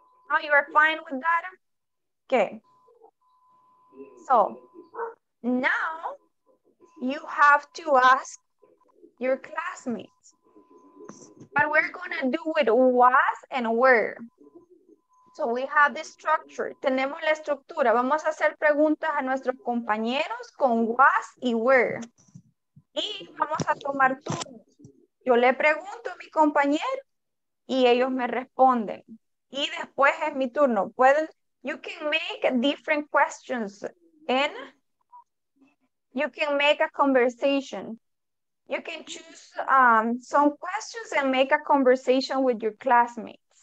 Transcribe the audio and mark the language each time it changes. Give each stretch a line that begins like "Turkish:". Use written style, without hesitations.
English: Oh, you are fine with that? Okay. So now you have to ask your classmates. But we're going to do it was and were. So we have the structure.
Spanish: Tenemos la estructura. Vamos a hacer preguntas a nuestros compañeros con was y were. Y vamos a tomar turnos. Yo le pregunto a mi compañero y ellos me responden. Y después es mi turno. Pueden,
English: you can make different questions and you can make a conversation. You can choose some questions and make a conversation with your classmates.